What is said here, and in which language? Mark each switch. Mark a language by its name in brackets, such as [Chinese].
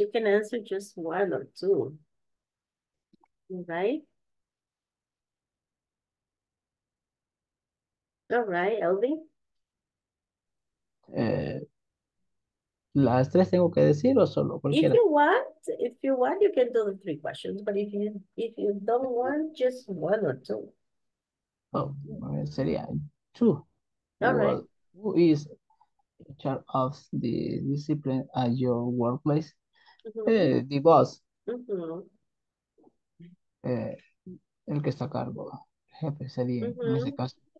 [English] You can answer just one or two. All right, Elvi. [Spanish] ¿Las tres tengo que decir o solo cualquiera? [English] If you want, you can do the three questions, but if you don't want, just one or two. [Spanish] Sería two. [English] All right. Who is in charge of the discipline at your workplace? The boss. [Spanish] El que está a cargo, jefe sería en ese caso.